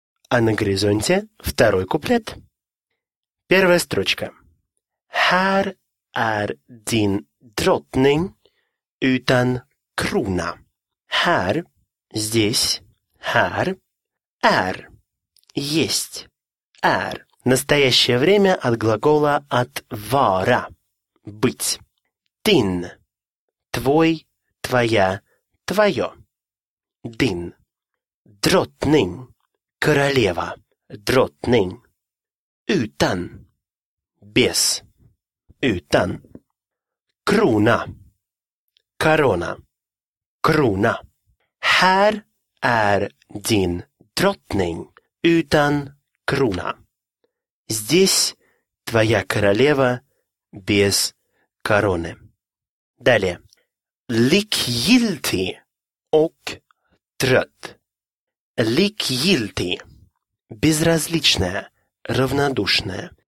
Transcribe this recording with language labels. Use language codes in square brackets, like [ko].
[ru] А на горизонте второй куплет. Первая строчка. [sv] Här är din drottning utan krona. Här, здесь, här, är, есть, är. [ru] Настоящее время от глагола от vara, быть. Din, твой, твоя, твое. [sv] Din, drottning. [ru] Королева, дротнинг, утан, без, утан, круна, корона, круна. [sv] Här är din drottning utan krona. [ru] Здесь твоя королева без короны. [sv] Далее. Likgiltig och trött. Likgiltig. [ru] Безразличное, равнодушное.